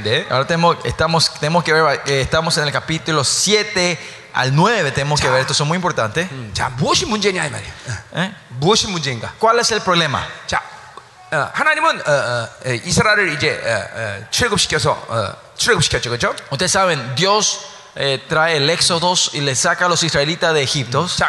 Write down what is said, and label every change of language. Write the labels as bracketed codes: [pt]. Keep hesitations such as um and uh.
[es] Ahora tenemos, estamos, tenemos que ver, eh, estamos en el capítulo 7 al 9 tenemos que ya. ver esto es muy importante hmm. es ¿Eh? ¿cuál es el problema? Ya. [ko] 하나님은 이스라엘을 이제 출급시켜서 출급시켰죠, 그렇죠? [es] Ustedes eh, trae el éxodo y le saca a los israelitas de Egipto.